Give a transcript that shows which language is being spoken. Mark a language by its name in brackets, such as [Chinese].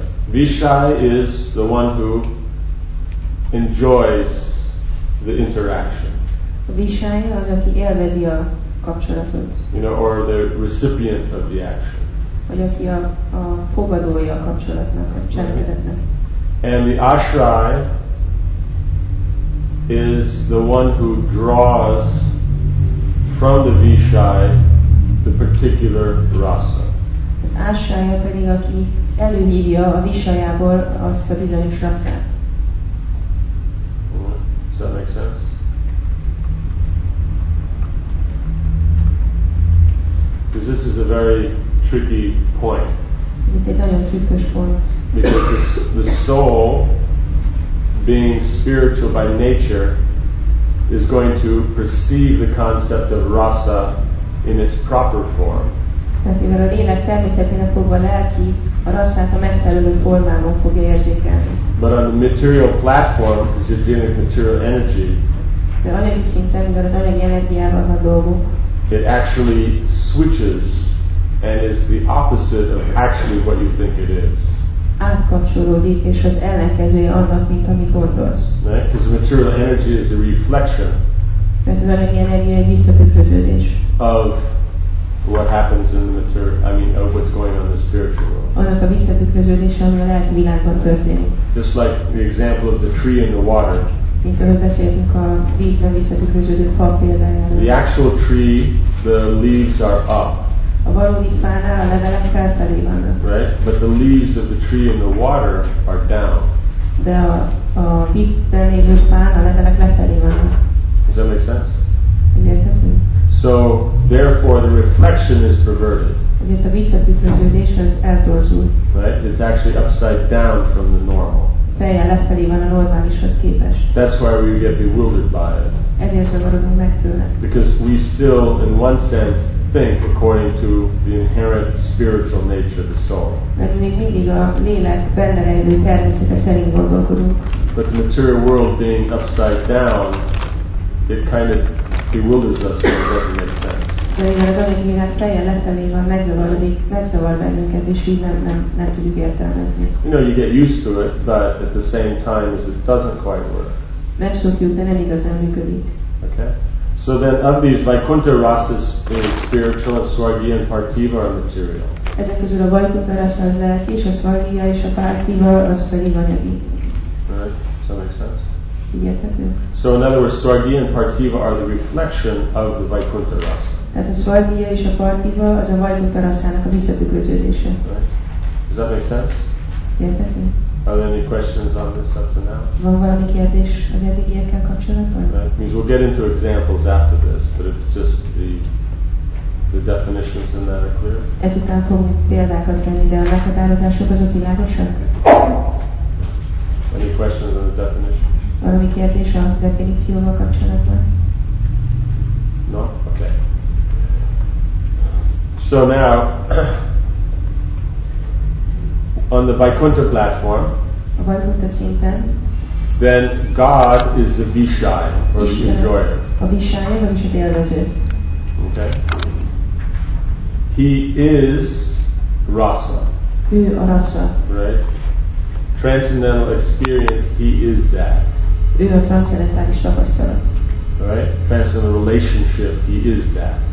[English] Vishai is the one who enjoys the interaction. [Hungarian] Vishai az, aki élvezi a kapcsolatot. [English] You know, or the recipient of the action. [Hungarian] Vagy aki a fogadója a kapcsolatnak, a cselekedetnek. [English] And the ashray is the one who draws from the vishai the particular rasa. [Hungarian] Az ashraya pedig, aki előhívja a visajából azt a bizonyos rasszát. [English] Does that make sense? Because this is a very tricky point. [Hungarian] Ez itt egy nagyon trükkös pont. [English] Because the soul, being spiritual by nature, is going to perceive the concept of rasa in its proper form. [Hungarian] Tehát mivel a lélek természetének fogva lelki, a rasszát a megfelelő formában fogja érzékelni. [English] But on the material platform, because you're dealing with material energy, [Hungarian] de anyagi szinten, mivel az anyagi energiával van dolgok, [English] it actually switches and is the opposite of actually what you think it is. [Hungarian] Átkapcsolódik, és az ellenkezője annak, mint amit gondolsz. [English] Right? Because material energy is a reflection. [Hungarian] Mert az anyagi energia egy visszatükröződés. [English] Of what happens in the material, I mean, of what's going on in the spiritual world. [Hungarian] Annak a visszatükröződése, ami a lelki világban történik. [English] Just like the example of the tree in the water. [Hungarian] Mint ahogy beszéltünk a vízben visszatükröződő fa példájáról. [English] The actual tree, the leaves are up. [Hungarian] A valódi fánál a levelek felfelé vannak. [English] Right? But the leaves of the tree in the water are down. [Hungarian] De a vízben lévő fán a levelek lefelé vannak. [English] Does that make sense? [Hungarian] Érthető. [English] So therefore the reflection is perverted. [Hungarian] Ezért a visszatükröződés az eltorzult. [English] Right? It's actually upside down from the normal. [Hungarian] Fejjel lefelé van a normálishoz képest. [English] That's why we get bewildered by it. [Hungarian] Ezért zavarodunk meg tőle. [English] Because we still in one sense think according to the inherent spiritual nature of the soul. [Hungarian] Mert még mindig a lélek benne rejlő természete szerint gondolkodunk. [English] But the material world being upside down, it kind of bewilders us when it doesn't make sense. [Hungarian] De igen, az anyagi világ fejjel lefelé van, megzavar bennünket, és így nem tudjuk értelmezni. [English] You know, you get used to it, but at the same time as it doesn't quite work. [Hungarian] Megszokjuk, de nem igazán működik. [English] Okay. So then of these, Vaikuntha rasas being spiritual, and Swargya and Partiva are material. [Hungarian] Ezek közül a Vaikuntha rasa az lelki, és a Swargya és a Partiva az pedig anyagi. [English] Right? Does that make sense? [Hungarian] Igen. [English] So in other words, Swargya and Partiva are the reflection of the Vaikuntha rasa. [Hungarian] Tehát a Swargya és a Partiva az a Vaikuntha rasának a visszatükröződése. [English] Right. Does that make sense? [Hungarian] Igen. [English] Are there any questions on this up to now? [Hungarian] Van valami kérdés az eddigiekkel kapcsolatban? [English] Right. Means we'll get into examples after this, but if just the definitions and that are clear. [Hungarian] Ezután fogunk példákat tenni, de a meghatározások azok világosak? [English] Any questions on the definition? [Hungarian] Valami kérdés a definícióval kapcsolatban? [English] No? Okay. So now, on the Vaikuntha platform, [Hungarian] a Vaikuntha szinten, [English] then God is the Vishaya, or the enjoyer. [Hungarian] A Vishaya, vagyis az élvező. [English] Okay. He is rasa. [Hungarian] Ő a rasa. [English] Right? Transcendental experience, he is that. [Hungarian] Ő a transzendentális tapasztalat. [English] Right? Transcendental relationship, he is that.